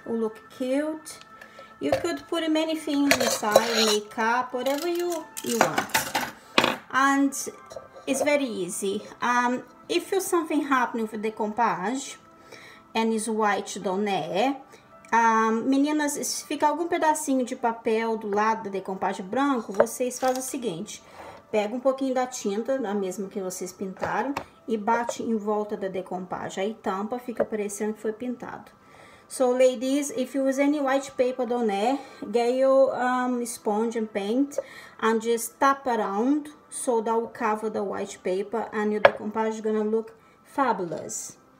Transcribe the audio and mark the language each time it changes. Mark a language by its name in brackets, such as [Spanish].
[English] Will look cute. You could put many things inside, makeup, whatever you want. And it's very easy. If you're something happening with the decompage and is white doné. [Portuguese] Meninas, se ficar algum pedacinho de papel do lado da decompage branco, vocês fazem o seguinte. Pega um pouquinho da tinta, a mesma que vocês pintaram, e bate em volta da decompage. Aí tampa, fica parecendo que foi pintado. [English] So, ladies, if you use any white paper doné, get your sponge and paint and just tap around so that will cover the white paper and your decompage is gonna look fabulous.